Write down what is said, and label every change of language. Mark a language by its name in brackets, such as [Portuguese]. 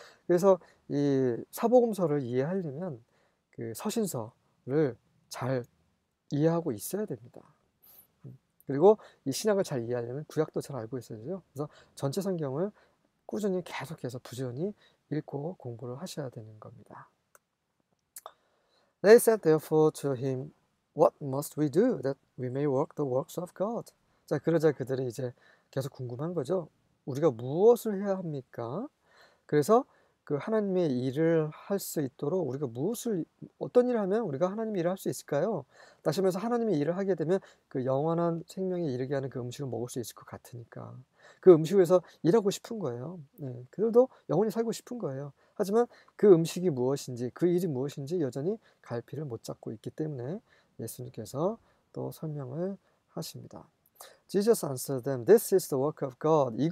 [Korean] 그래서 이 사복음서를 이해하려면 그 서신서를 잘 이해하고 있어야 됩니다. 그리고 이 신약을 잘 이해하려면 구약도 잘 알고 있어야 되죠. 그래서 전체 성경을 꾸준히 계속해서 부지런히 읽고 공부를 하셔야 되는 겁니다. [English] They said therefore to him, What must we do that we may work the works of God? [Korean] 자, 그러자 그들이 이제 계속 궁금한 거죠. 우리가 무엇을 해야 합니까? 그래서 그 하나님의 일을 할수 있도록 우리가 무엇을, 어떤 일을 하면 우리가 하나님의 일을 할수 있을까요? 다시 말해서 하나님의 일을 하게 되면 그 영원한 생명에 이르게 하는 그 음식을 먹을 수 있을 것 같으니까. 그 음식에서 일하고 싶은 거예요. 네, 그들도 영원히 살고 싶은 거예요. 하지만 그 음식이 무엇인지, 그 일이 무엇인지 여전히 갈피를 못 잡고 있기 때문에 예수님께서 또 설명을 하십니다. [English] Jesus answered them, This is the work of God.